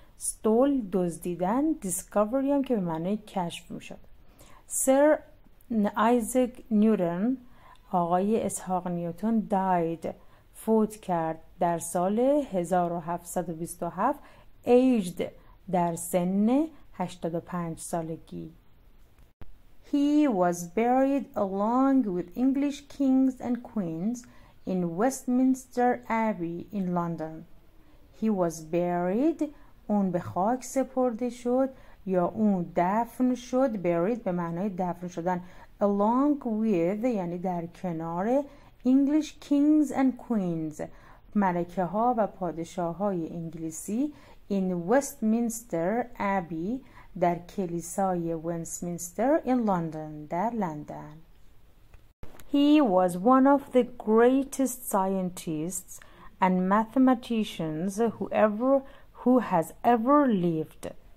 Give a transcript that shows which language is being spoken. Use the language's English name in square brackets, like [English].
[Persian] ستول دزدیدن، دیسکاوری هم که به معنی کشف میشد. سر آیزک نیوتن، آقای اسحاق نیوتن، داید، فوت کرد در سال 1727، ایجد در سن 85 سالگی. [English] He was buried along with English kings and queens in Westminster Abbey in London. He was buried، [Persian] اون به خاک سپرده شد یا اون دفن شد. [English] buried [Persian] به معنای دفن شدن. [English] along with [Persian] یعنی در کنار، [English] English kings and queens، [Persian] ملکه ها و پادشاه های انگلیسی، [English] in Westminster Abbey [Persian] در کلیسای وینسمینستر [English] in London [Persian] در لندن. [English] He was one of the greatest scientists and mathematicians who has ever lived.